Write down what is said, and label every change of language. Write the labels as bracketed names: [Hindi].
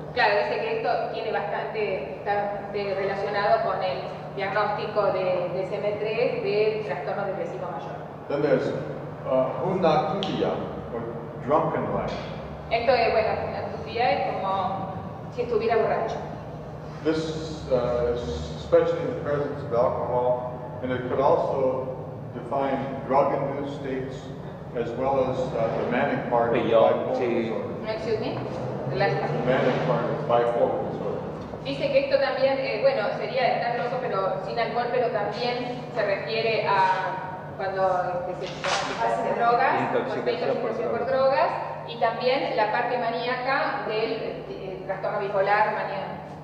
[Spanish] Claro, dice que esto tiene bastante relacionado con el diagnóstico de DSM-3 de trastorno depresivo mayor. [English] Then there's hunatutia, or drunken life. [Spanish] Esto es, bueno, hunatutia es como si estuviera borracho. [English] This is especially in the presence of alcohol, and it could also define drug-induced states as well as the manic part of bipolar disorder. Excuse me? The manic part of bipolar disorder. [Spanish] Dice que esto también, bueno, sería estar loco, pero sin alcohol, pero también se refiere a cuando se hace drogas, intoxicación por drogas, y también la parte maníaca del trastorno bipolar maníaco.